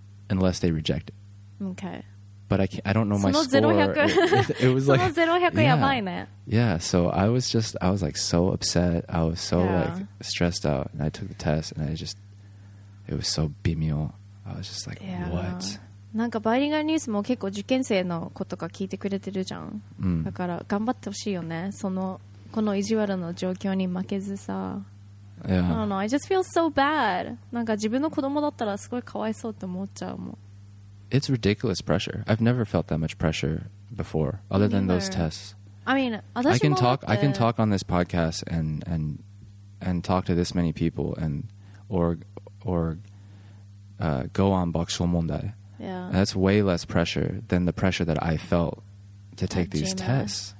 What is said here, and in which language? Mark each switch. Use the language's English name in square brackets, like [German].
[English] Unless they reject it. Okay. But I don't know my score. It was like, yeah. So I was like so upset. I was so like stressed out, and I took the test and it was so bimyo. I was just like, what? [Japanese] なんかバイリンガルニュースも結構受験生の子とか聞いてくれてるじゃん。だから頑張ってほしいよね。この意地悪の状況に負けずさ。 [English] Yeah. I don't know. I just feel so bad. [Japanese] なんか自分の子供だったらすごいかわいそうって思っちゃうもん。 [English] It's ridiculous pressure. I've never felt that much pressure before, other than those tests. I mean, [Japanese] 私も [English] I can talk on this podcast and talk to this many people and go on 爆笑問題. Yeah. That's way less pressure than the pressure that I felt to take these tests.